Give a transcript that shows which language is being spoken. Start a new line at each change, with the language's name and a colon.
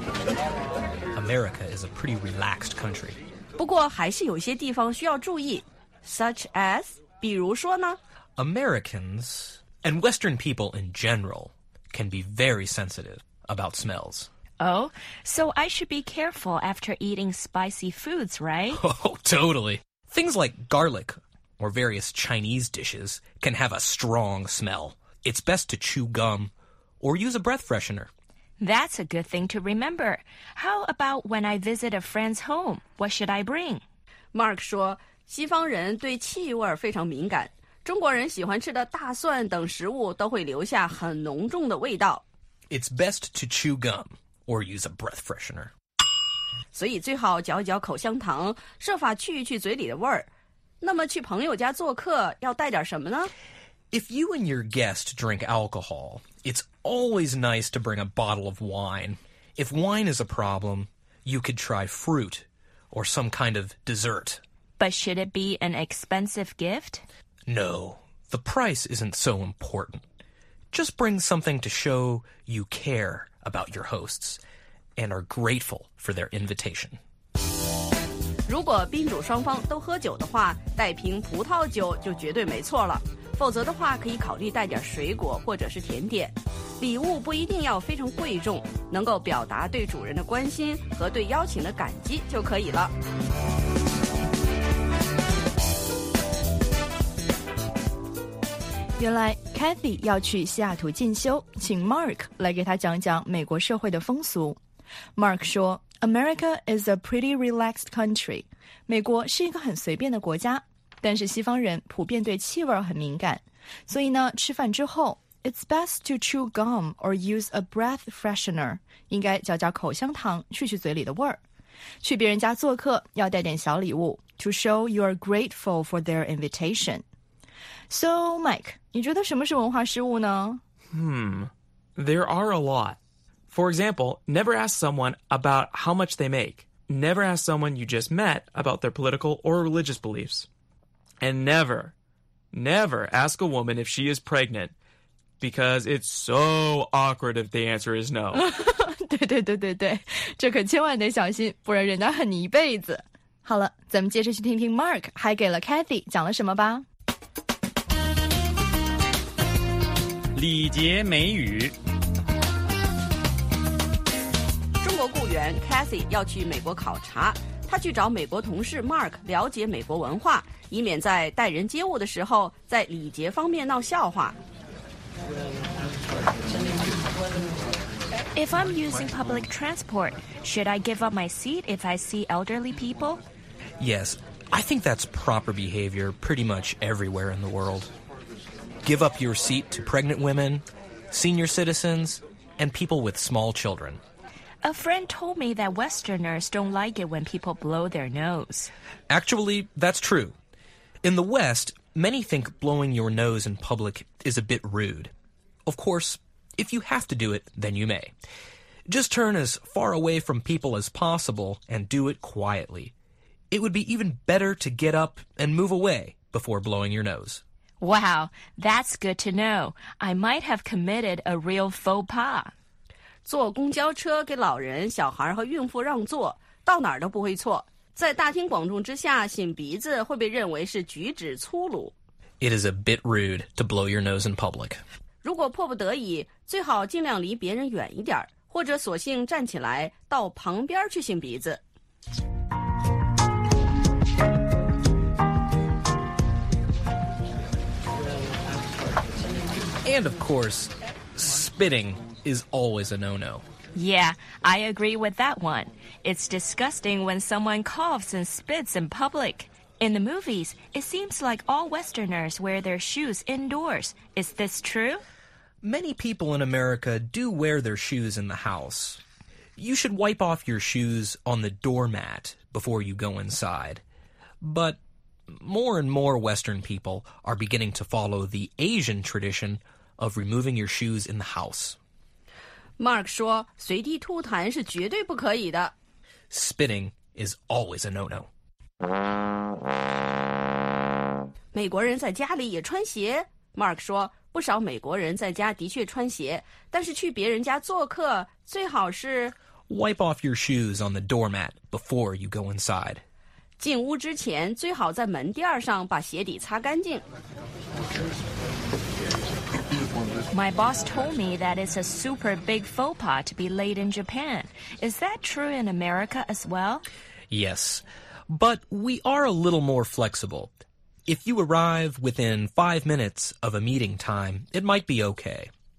English: America is a pretty relaxed country.
Chinese: 不过还是有些地方需要注意，
English: such as,
Chinese: 比如说呢？
English: Americans, and Western people in general, can be very sensitive about smells. Oh, so I should be careful after eating spicy foods, right? Oh, totally. Things like garlic or various Chinese dishes can have a strong smell. It's best to chew gum or use a breath freshener. That's a good thing to remember. How about when I visit a friend's home? What should I bring?
Chinese: Mark 说，西方人对气味非常敏感。中国人喜欢吃的大蒜等食物都会留下很浓重的味道。
English: It's best to chew gum or use a breath freshener.
Chinese: 所以最好嚼一嚼口香糖，设法去一去嘴里的味儿。那么去朋友家做客要带点什么呢？
English: If you and your guest drink alcohol, it's always nice to bring a bottle of wine. If wine is a problem, you could try fruit or some kind of dessert. But should it be an expensive gift? No, the price isn't so important. Just bring something to show you care about your hosts and are grateful for their invitation.
Chinese: 如果宾主双方都喝酒的话，带瓶葡萄酒就绝对没错了。否则的话，可以考虑带点水果或者是甜点。礼物不一定要非常贵重，能够表达对主人的关心和对邀请的感激就可以了。原来 Cathy 要去西雅图进修，请 Mark 来给他讲讲美国社会的风俗。
English: Mark 说 ，America is a pretty relaxed country.
Chinese: 美国是一个很随便的国家，但是西方人普遍对气味很敏感，所以呢，吃饭之后 ，
English: it's best to chew gum or use a breath freshener.
Chinese: 应该嚼嚼口香糖，去去嘴里的味儿。去别人家做客要带点小礼物 ，
English: to show you are grateful for their invitation.
Chinese: So, Mike, 你觉得什么是文化失误呢？
English: There are a lot. For example, never ask someone about how much they make. Never ask someone you just met about their political or religious beliefs. And never, never ask a woman if she is pregnant, because it's so awkward if the answer is no.
Chinese: 对对对对对，这可千万得小心，不然人家恨你一辈子。好了，咱们接着去听听 Mark 还给了 Cathy 讲了什么吧。礼节美语。中国雇员 Cathy 要去美国考察，他去找美国同事 Mark 了解美国文化，以免在待人接物的时候在礼节方面闹笑话。
English: If I'm using public transport, should I give up my seat if I see elderly people? Yes, I think that's proper behavior pretty much everywhere in the world. Give up your seat to pregnant women, senior citizens, and people with small children. A friend told me that Westerners don't like it when people blow their nose. Actually, that's true. In the West, many think blowing your nose in public is a bit rude. Of course, if you have to do it, then you may. Just turn as far away from people as possible and do it quietly. It would be even better to get up and move away before blowing your nose. Wow, that's good to know. I might have committed a real faux pas.
Chinese: 坐公交车给老人、小孩和孕妇让座，到哪儿都不会错。在大庭广众之下擤鼻子会被认为是举止粗鲁。
English: It is a bit rude to blow your nose in public.
Chinese: 如果迫不得已，最好尽量离别人远一点，或者索性站起来到旁边去擤鼻子。
English: And of course, spitting is always a no-no. Yeah, I agree with that one. It's disgusting when someone coughs and spits in public. In the movies, it seems like all Westerners wear their shoes indoors. Is this true? Many people in America do wear their shoes in the house. You should wipe off your shoes on the doormat before you go inside. But more and more Western people are beginning to follow the Asian tradition of removing your shoes in the house.
Chinese: Mark 说随地吐痰是绝对不可以的。
English: Spitting is always a no-no.
Chinese: 美国人在家里也穿鞋。 Mark 说不少美国人在家的确穿鞋，但是去别人家做客最好是
English: Wipe off your shoes on the doormat before you go inside.
Chinese: 进屋之前最好在门垫上把鞋底擦干净。
English: My boss told me that it's a super big faux pas to be late in Japan. Is that true in America as well? Yes, but we are a little more flexible. If you arrive within 5 minutes of a meeting time, it might be okay.